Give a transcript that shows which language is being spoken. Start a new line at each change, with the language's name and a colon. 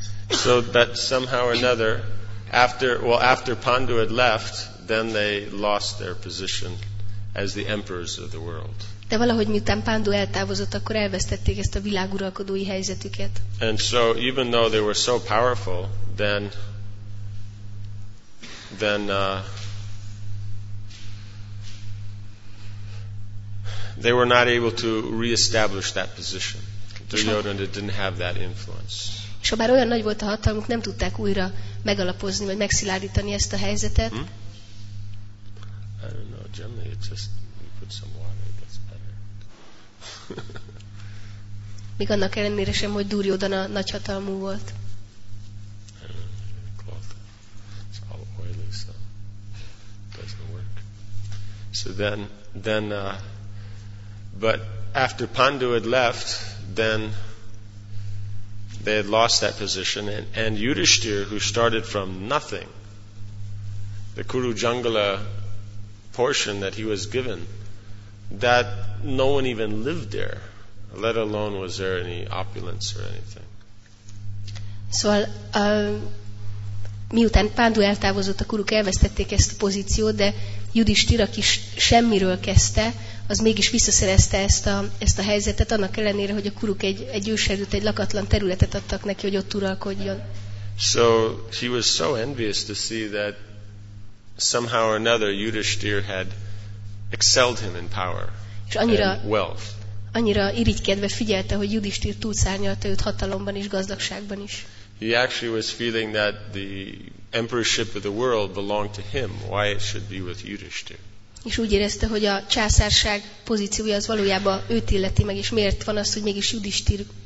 English: So that somehow or another, after Pandu had left, then they lost their position as the emperors of the world.
Hungarian: De valahogy miután Pandu eltávozott, akkor elvesztették ezt a világuralkodói helyzetüket.
English: And so even though they were so powerful, they were not able to reestablish that position. Duryodhana didn't have that influence.
Hungarian: És ha bár olyan nagy volt a hatalmuk, nem tudták újra megalapozni, vagy megszilárdítani ezt a helyzetet.
English: I don't know, generally it's just you put some water, it gets better.
Hungarian: Még annak ellenére sem, hogy Duryodhana nagy hatalmú volt.
English: Cloth. It's all oily, so it doesn't work. So but after Pandu had left, then they had lost that position, and Yudhishthir, who started from nothing, the Kuru Jungla portion that he was given, that no one even lived there, let alone was there any opulence or anything.
Hungarian: Szóval miután Pándu eltávozott, a kuruk elvesztették ezt a pozíciót, de Judhisthira, aki semmiről kezdte, az mégis visszaszerezte ezt a helyzetet, annak ellenére, hogy a kuruk egy őserdőt, egy lakatlan területet adtak neki, hogy ott uralkodjon.
English: So she was so envious to see that somehow or another Yudhisthira had excelled him in power and wealth.
Hungarian: Annyira irigykedve figyelte, hogy Yudhisthira túlszárnyalta őt hatalomban és gazdagságban is.
English: He actually was feeling that the emperorship of the world belonged to him. Why it should be with Yudhisthira?
Hungarian: És úgy érezte, hogy a császárság pozíciója az valójában őt illeti meg, és miért van az, hogy mégis Yudhisthira.